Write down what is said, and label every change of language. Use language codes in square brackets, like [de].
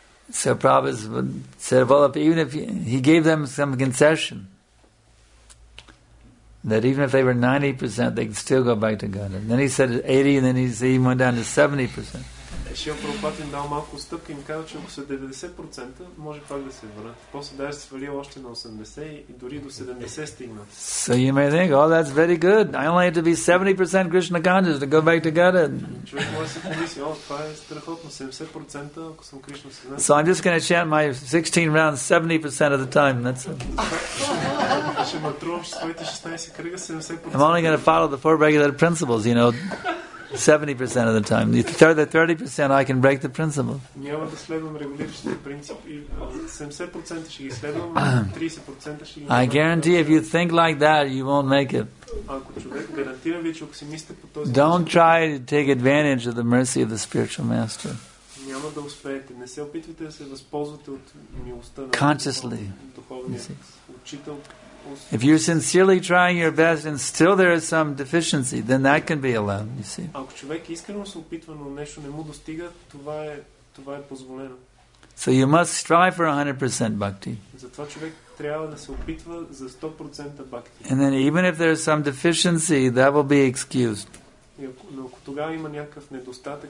[en] So Prabhupada said, well, even if he gave them some concession, that even if they were 90%, they could still go back to God. And then he said 80, and then he said he went down to 70%. [bg] Шрила Прабхупада им дал малко стъпка и им каза, че ако са 90%, може пак да се върнат. После даже свалил още на 80 и дори до 70 стигнат. [en] So you may think, oh, that's very good. I only have to be 70% Krishna conscious to go back to Godhead. [bg] Човек може да се помисли, о, това е страхотно, 70% ако съм Кришна осъзнат. [en] So I'm just going to chant my 16 rounds 70% of the time. That's it. [bg] Ще натрувам своите 16 кръга 70%. [en] I'm only going to follow the four regular principles, you know. 70% of the time. The 30% I can break the principle. [bg] Няма да следвам регулиращите принципи. 70% ще ги следвам, 30% ще ги... [en] I guarantee if you think like that, you won't make it. [bg] Ако човек гарантира вече, ако си мисля по този... [en] Don't try to take advantage of the mercy of the spiritual master. [bg] Няма да успеете. Не се опитвайте да се възползвате от милостта на... [en] Consciously. [bg] Духовния учител... [en] If you're sincerely trying your best and still there is some deficiency, then that can be allowed, you see. [bg] Ако човек искрено се опитва, но нещо не му достига, това е позволено. [en] So you must strive for 100% bhakti. [bg] Затова човек трябва да се опитва за 100% бхакти. [en] And then even if there is some deficiency, that will be excused. [bg] Но ако тогава има някакъв недостатък...